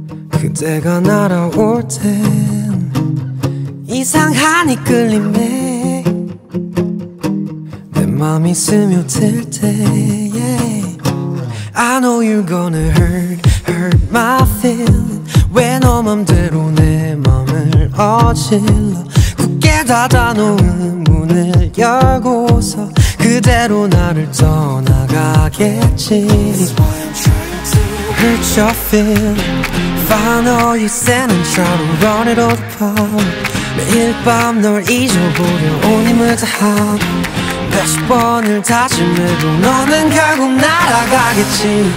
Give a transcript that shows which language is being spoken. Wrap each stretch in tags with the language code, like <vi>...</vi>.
<ko>그대가 날아올 땐 이상한 이끌림에 내 맘이 스며들 때 yeah.</ko> <en>I know you're gonna hurt my feeling.</en> <ko>왜 너 맘대로 내 맘을 어질러. 굳게 닫아놓은 문을 열고서 그대로 나를 떠나가겠지.</ko> <en>Hurt your feelings. Find all you said and try to run it all apart.</en> <ko>매일 밤 널 잊어보려 온 힘을 다한 몇십 번을 다짐해도 너는 결국 날아가겠지.</ko>